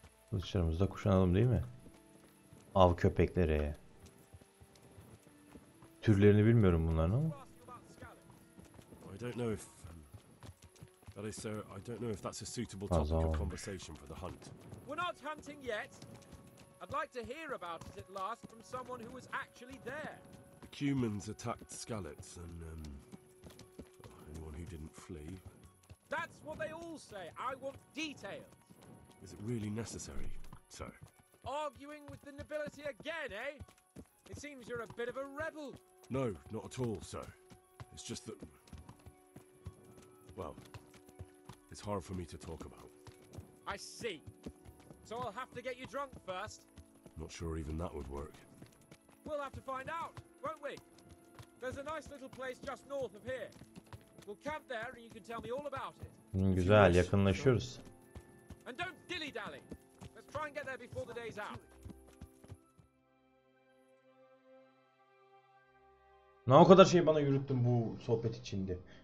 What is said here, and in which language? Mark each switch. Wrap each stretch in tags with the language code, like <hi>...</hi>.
<tr>Kılıçlarımızı da kuşanalım değil mi? Av köpekleri. Türlerini bilmiyorum bunların ama.</tr> <en>I don't know if... That is, sir, I don't know if that's a suitable topic of conversation for the hunt. We're not hunting yet. I'd like to hear about it at last from someone who was actually there. The Cumans attacked Scalets and, anyone who didn't flee. That's what they all say. I want details. Is it really necessary, sir? Arguing with the nobility again, eh? It seems you're a bit of a rebel. No, not at all, sir. It's just that... Well... It's hard for me to talk about. I see. So I'll have to get you drunk first. Not sure even that would work. We'll have to find out, won't we? There's a nice little place just north of here. We'll camp there and you can tell me all about it.</en> <tr>Güzel, yakınlaşıyoruz.</tr> <en>And don't dilly-dally. Let's try and get there before the day's out.</en> <tr>Ne o kadar şey bana yürüttün bu sohbet içinde?</tr>